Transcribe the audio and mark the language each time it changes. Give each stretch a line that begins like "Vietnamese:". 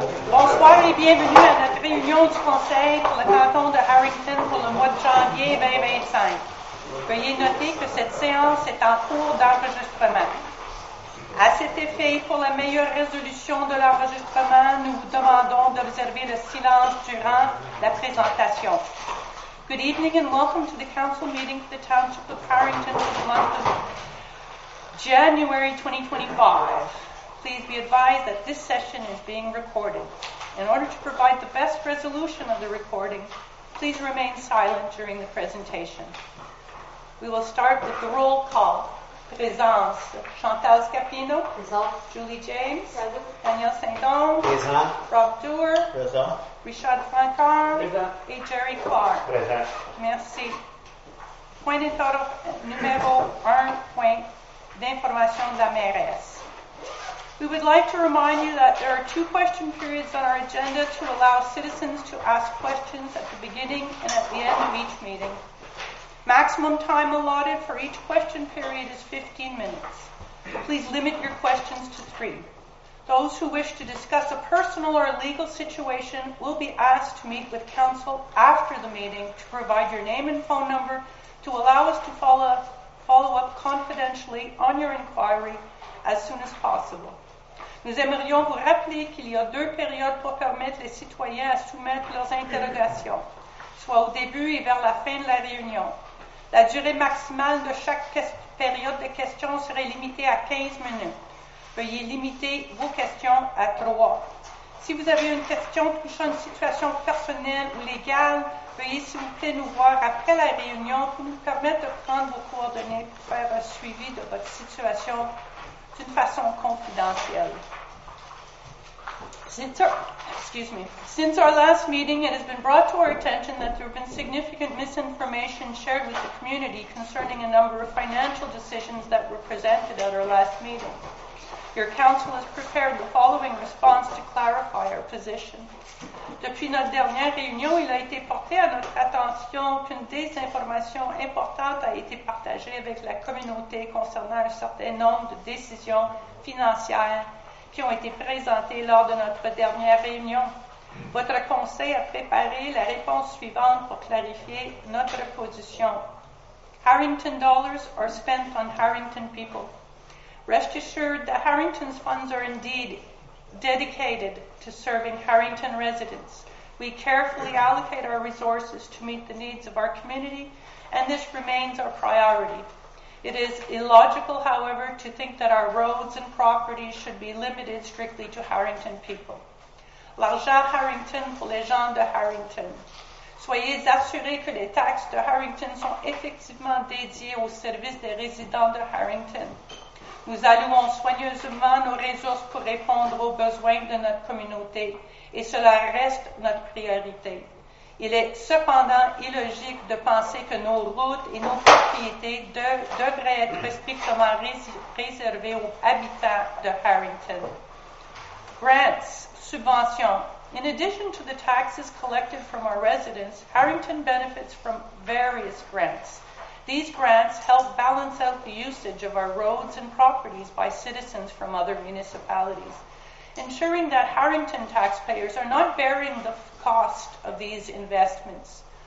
French: Bonsoir et bienvenue à notre réunion du conseil pour le canton de Harrington pour le mois de janvier 2025. Veuillez noter que cette séance est en cours d'enregistrement. À cet effet, pour la meilleure résolution de l'enregistrement, nous vous demandons d'observer le silence durant la présentation.
English: Good evening and welcome to the council meeting for the Township of Harrington for the month of January 2025. Please be advised that this session is being recorded. In order to provide the best resolution of the recording, please remain silent during the presentation. We will start with the roll call. Présence. Chantal Scapino.
French: Présent. Julie James. Présent. Daniel Saint-Dome. Présent. Rob Dewar. Présent. Richard Francard. Présent. Et Jerry Clark. Présent. Merci. Point d'ordre numéro 1, point d'information de la mairesse.
English: We would like to remind you that there are two question periods on our agenda to allow citizens to ask questions at the beginning and at the end of each meeting. Maximum time allotted for each question period is 15 minutes. Please limit your questions to 3. Those who wish to discuss a personal or legal situation will be asked to meet with counsel after the meeting to provide your name and phone number to allow us to follow up confidentially on your inquiry as soon as possible.
French: Nous aimerions vous rappeler qu'il y a 2 périodes pour permettre les citoyens à soumettre leurs interrogations, soit au début et vers la fin de la réunion. La durée maximale de chaque période de questions serait limitée à 15 minutes. Veuillez limiter vos questions à 3. Si vous avez une question touchant une situation personnelle ou légale, veuillez s'il vous plaît nous voir après la réunion pour nous permettre de prendre vos coordonnées pour faire un suivi de votre situation d'une façon confidentielle.
English: Since our last meeting, it has been brought to our attention that there have been significant misinformation shared with the community concerning a number of financial decisions that were presented at our last meeting. Your council has prepared the following response to clarify our position.
French: Depuis notre dernière réunion, il a été porté à notre attention qu'une désinformation importante a été partagée avec la communauté concernant un certain nombre de décisions financières qui ont été présentées lors de notre dernière réunion. Votre conseil a préparé la réponse suivante pour clarifier notre position.
English: Harrington dollars are spent on Harrington people. Rest assured that Harrington's funds are indeed dedicated to serving Harrington residents. We carefully allocate our resources to meet the needs of our community, and this remains our priority. It is illogical, however, to think that our roads and properties should be limited strictly to Harrington people.
French: L'argent Harrington pour les gens de Harrington. Soyez assurés que les taxes de Harrington sont effectivement dédiées au service des résidents de Harrington. Nous allouons soigneusement nos ressources pour répondre aux besoins de notre communauté, et cela reste notre priorité. Il est cependant illogique de penser que nos routes et nos propriétés devraient être strictement réservées aux habitants de Harrington.
English: Grants, subventions. In addition to the taxes collected from our residents, Harrington benefits from various grants. These grants help balance out the usage of our roads and properties by citizens from other municipalities, ensuring that Harrington taxpayers are not bearing the cost of these investments.